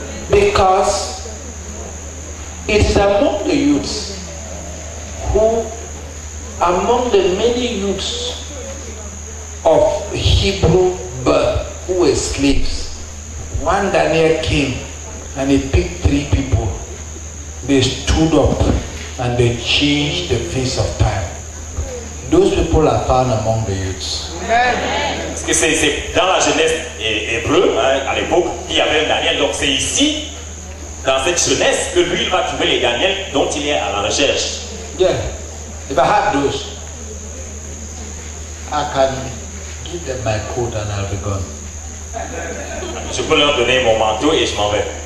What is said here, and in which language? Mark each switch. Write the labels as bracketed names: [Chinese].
[English] Because it is among the youths who, among the many youths of Hebrew birth, who were slaves, one Daniel came and he picked three people. They stood up and they changed the face of time. Those people are found among the youths. [French] Parce que c'est dans la jeunesse hébreu, hein, à l'époque, il y avait un Daniel. Donc c'est ici, dans cette jeunesse, que lui il va trouver les Daniel dont il est à la recherche. [English] Yeah. If I have those, I can give them my coat and I'll be gone. [French] Je peux leur donner mon manteau et je m'en vais.